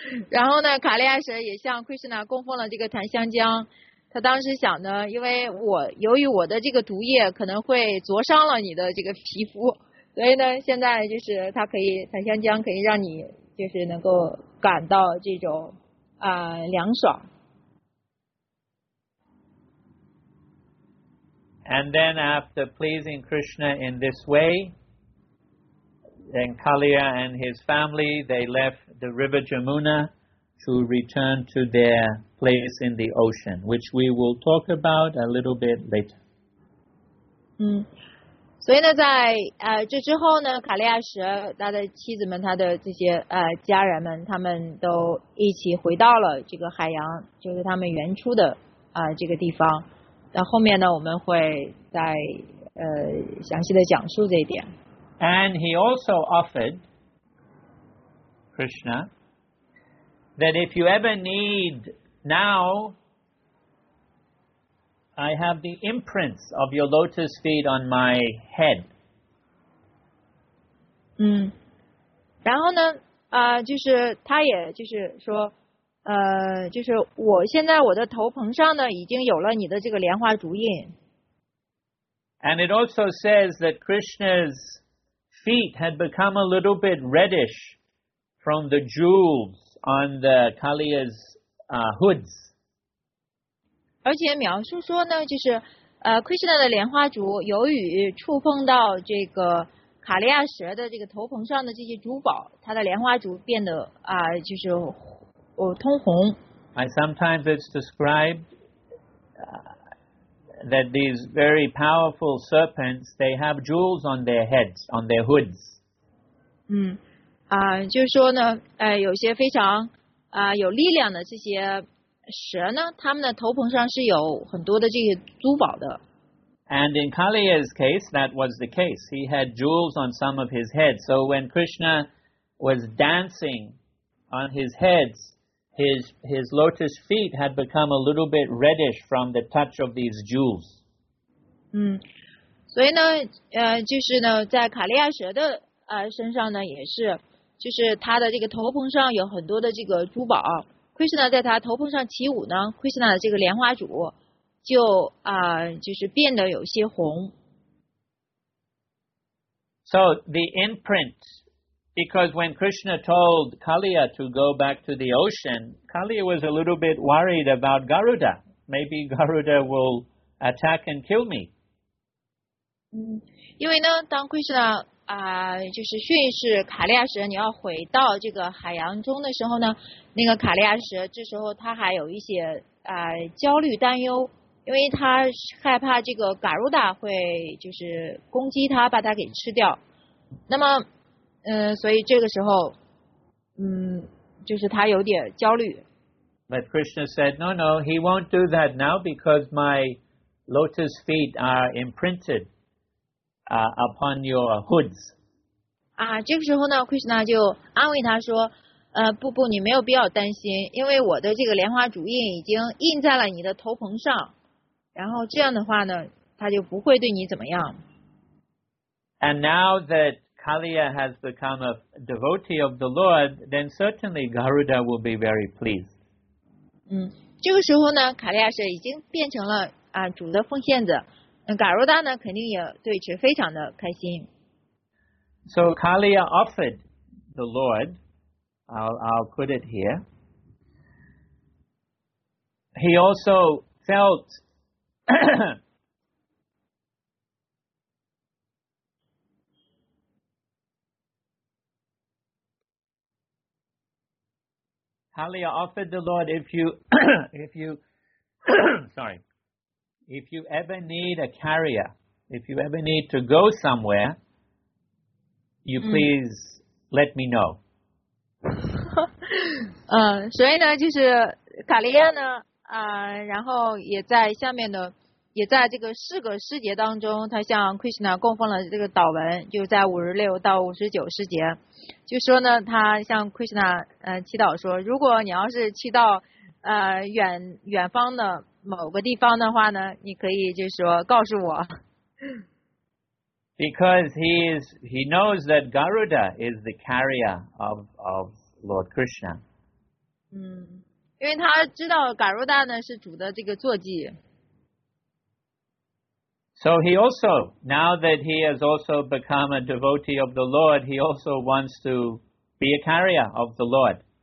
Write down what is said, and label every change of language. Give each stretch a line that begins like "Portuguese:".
Chinese: 然后呢卡利亚蛇也向 Krishna 供奉了这个檀香浆，他当时想呢因为我由于我的这个毒液可能会灼伤了你的这个皮肤，所以呢现在就是他可以檀香浆可以让你就是能够感到这种凉爽。
English: And then after pleasing Krishna in this wayThen Kaliya and his family, they left the river Jamuna to return to their place in the ocean, which we will talk about a little bit later.
Chinese: 所以呢在、这之后呢卡利亚蛇他的妻子们他的这些、家人们他们都一起回到了这个海洋，就是他们原初的、这个地方。那后面呢我们会再、详细的讲述这一点。
English: And he also offered Krishna that if you ever need, now I have the imprints of your lotus feet on my head.
Chinese: 然后呢、就是他也就是说、就是我现在我的头棚上呢已经有了你的这个莲花足印。
English: And it also says that Krishna'sfeet had become a little bit reddish from the jewels on the Kaliya's hoods.
Chinese: 而且描述说呢就是、Krishna 的莲花足由于触碰到这个卡利亚蛇的这个头棚上的这些珠宝，它的莲花足变得、就是、通红。
English: And sometimes it's described、that these very powerful serpents, they have jewels on their heads, on their hoods.
Chinese: 就是说呢、有些非常、有力量的这些蛇呢，他们的头棚上是有很多的这些珠宝的。
English: And in Kaliya's case, that was the case. He had jewels on some of his heads. So when Krishna was dancing on his heads,His lotus feet had become a little bit reddish from the touch of these jewels.
Chinese: 所以呢，就是呢，在卡利亚蛇的身上呢，也是，就是他的这个头棚上有很多的这个珠宝。 Krishna 在他头棚上起舞呢 ，Krishna 的这个莲花主就就是变得有些红。
English: So the imprint, because when Krishna told Kaliya to go back to the ocean, Kaliya was a little bit worried about Garuda. Maybe Garuda will attack and kill me.
Chinese: 因为呢，当 Krishna 就是训示卡利亚蛇你要回到这个海洋中的时候呢，那个卡利亚蛇这时候他还有一些焦虑担忧。因为他害怕这个嘎鲁达会就是攻击他，把他给吃掉。那么，所以这个时候，就是他有点焦虑。
English: But Krishna said, "No, no, he won't do that now because my lotus feet are imprinted, upon your hoods."
Chinese: 啊，这个时候呢 ，Krishna 就安慰他说。不不，你没有必要担心，因为我的这个莲花主印已经印在了你的头棚上。然后这样的话呢，他就不会对你怎么样。
English: And now that Kaliya has become a devotee of the Lord, then certainly Garuda will be very pleased.
Chinese: 这个时候呢，卡利亚蛇已经变成了主的奉献者，那嘎鲁达呢，肯定也对此非常的开心。
English: So Kaliya offered the Lord, I'll put it here. He also felt. Kaliya offered the Lord, if you ever need a carrier, if you ever need to go somewhere, you please let me know.
Chinese: 所以呢，就是卡利亚呢，然后也在下面的。也在这个四个诗节当中，他向 Krishna 供奉了这个祷文，就在56到59诗节，就说呢，他向 Krishna 祈祷说，如果你要是去到远方的某个地方的话呢，你可以就说告诉我。
English: Because he knows that Garuda is the carrier of Lord Krishna.
Chinese: 因为他知道 Garuda 呢是主的这个坐骑。
English: So he also, now that he has also become a devotee of the Lord, he also wants to be a carrier of the Lord.